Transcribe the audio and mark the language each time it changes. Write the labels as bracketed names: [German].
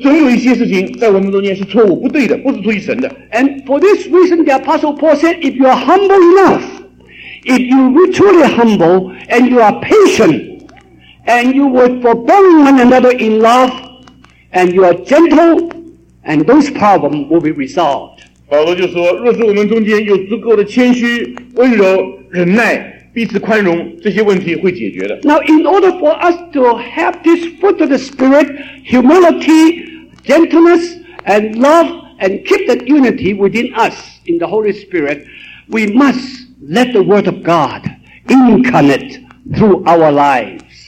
[Chinese] 若是中间彼此有背后的这个闲话，许多都高抬自己，这样就表示总有一些事情在我们中间是错误不对的，不是出于神的。 [English] And for this reason, the Apostle Paul said, if you are humble enough, if you are truly humble and you are patient and you would forbear one another in love and you are gentle, and those problems will be resolved. [Chinese] 保罗就说，若是我们中间有足够的谦虚、温柔、忍耐、彼此宽容，这些问题会解决的。 [English] Now, in order for us to have this fruit of the Spirit, humility, gentleness, and love, and keep that unity within us in the Holy Spirit, we must let the Word of God incarnate through our lives.